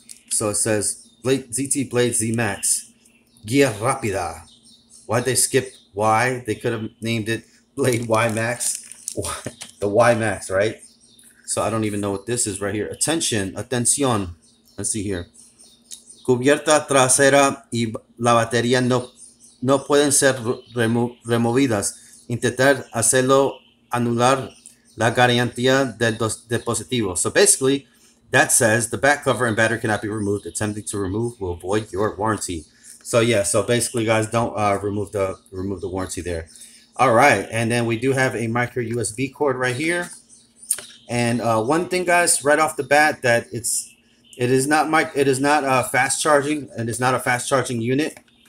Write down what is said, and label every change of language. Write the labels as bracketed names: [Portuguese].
[English] So it says, ZTE Blade ZMAX, Guía Rápida. Why'd they skip Y? They could have named it Blade Y Max. The Y Max, right? So I don't even know what this is right here. [Spanish] Atención. [English] Let's see here. [Spanish] Cubierta trasera y la batería no pueden ser removidas. Intentar hacerlo anular la garantía del dispositivo. [English] So basically, that says the back cover and battery cannot be removed. Attempting to remove will void your warranty. So yeah, so basically, guys, don't remove the warranty there. All right, and then we do have a micro USB cord right here. And one thing, guys, right off the bat, that it is not fast charging, and it's not a fast charging unit.